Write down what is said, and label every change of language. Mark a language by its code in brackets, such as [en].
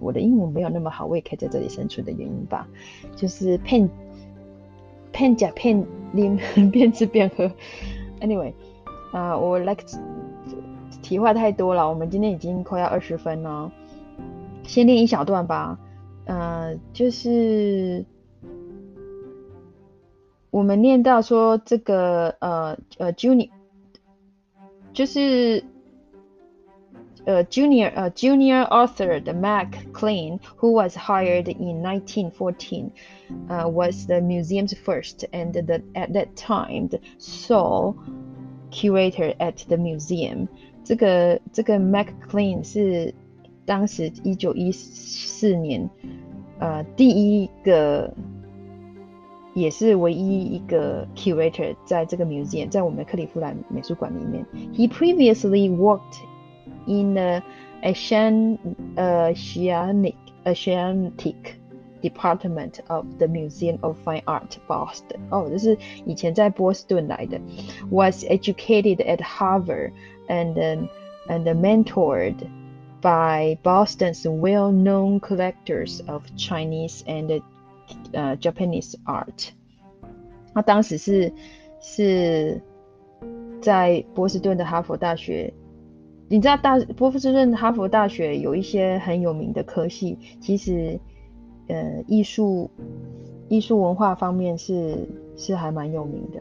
[zh] 我的英文没有那么好，我也可以在这里生存的原因吧，就是骗假骗拎，边吃边喝。 [en] Anyway， [zh] 我 like。题话太多了，我们今天已经快要20分了，先念一小段吧。就是我们念到说这个Junior，就是Junior author 的 [en] Mac Clean, who was hired in 1914, was the museum's first and the at that time the sole curator at the museum. [zh] 这个 Mac Clean 是当时1914年。第一个也是唯一一个 curator 在这个 museum，在我们克利夫兰美术馆里面。 [en] He previously worked in the Oceanic Department of the Museum of Fine Art, Boston。 [zh] 哦，就是以前在波士顿来的。 [en] Was educated at Harvard and mentored by Boston's well-known collectors of Chinese and Japanese art。 [zh] 他当时是在波士顿的哈佛大学，你知道波士顿哈佛大学有一些很有名的科系，其实艺术文化方面是还蛮有名的。